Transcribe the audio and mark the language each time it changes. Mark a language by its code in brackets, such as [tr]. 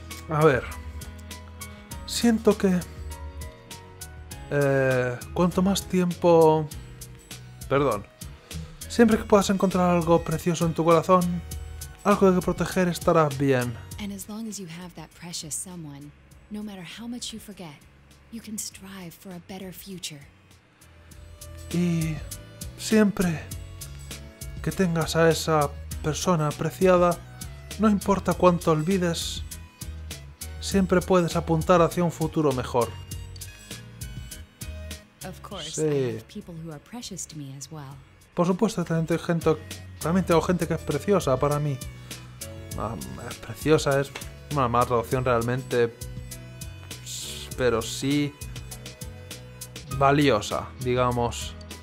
[es] A ver, siento que cuanto más tiempo, perdón, siempre que puedas encontrar algo precioso en tu corazón, algo que proteger, estarás bien. [en] And as long as you have that precious someone, no matter how much you forget, you can strive for a better future. [es] Y siempre que tengas a esa persona apreciada, no importa cuánto olvides, siempre puedes apuntar hacia un futuro mejor. [en] Of course, sí. I have people who are precious to me as well. [es] Por supuesto, también tengo gente que es preciosa para mí. Es preciosa, es una mala traducción realmente, pero sí valiosa, digamos.